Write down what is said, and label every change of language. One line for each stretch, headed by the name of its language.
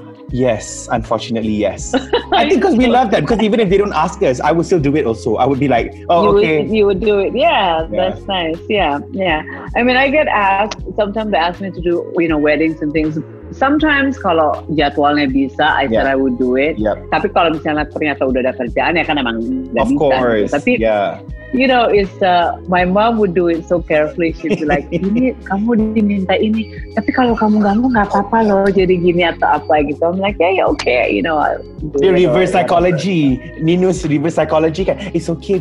English: Yes, unfortunately, yes. I think because we love them. Because even if they don't ask us, I would still do it also. I would be like, you would do it. Yeah, that's nice. Yeah. I mean, I get asked, sometimes they ask me to do, you know, weddings and things. Sometimes
Indonesian: kalau jadwalnya bisa,
English: I said I would do it. Yep.
Indonesian: Tapi kalau misalnya ternyata udah ada kerjaan, ya kan emang
English: of course,
Indonesian: bisa.
English: Tapi, you know, it's my mom would do it so carefully. She'd be like,
Indonesian: ini kamu diminta ini, tapi kalau kamu ganggu nggak apa-apa loh, jadi gini atau apa gitu.
English: I'm like, yeah, okay, you know. The reverse psychology. Nino's reverse psychology. It's okay.